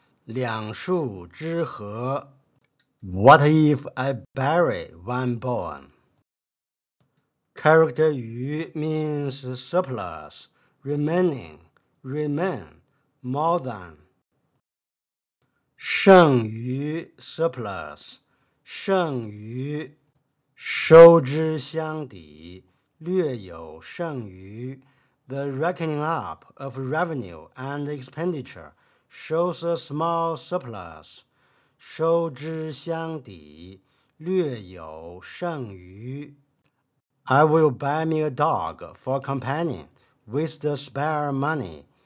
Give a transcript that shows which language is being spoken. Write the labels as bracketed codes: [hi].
[zh] 两数之和 [en] What if I bury one bone? Character 余 means surplus, remaining, remain, more than. [zh] 剩余 surplus. 剩余，收支相抵，略有剩余。 [en] The reckoning up of revenue and expenditure shows a small surplus. [zh] 收支相抵，略有剩余。 [en] I will buy me a dog for companion with the spare money.